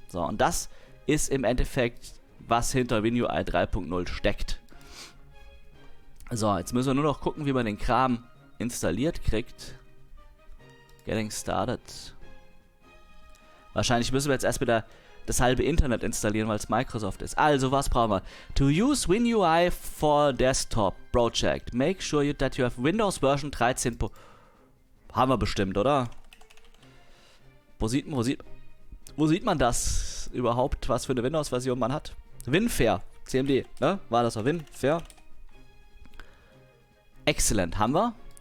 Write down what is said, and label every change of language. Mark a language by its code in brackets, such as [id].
[de] So, und das ist im Endeffekt, was hinter WinUI 3.0 steckt. So, jetzt müssen wir nur noch gucken, wie man den Kram installiert kriegt. [en] Getting started. [de] Wahrscheinlich müssen wir jetzt erst wieder das halbe Internet installieren, weil es Microsoft ist. Also, was brauchen wir? [en] To use WinUI for Desktop Project, make sure that you have Windows Version 13. [de] Haben wir bestimmt, oder? Wo sieht man das überhaupt, was für eine Windows-Version man hat? WinFair, CMD, ne? War das auch WinFair? Excellent, haben wir?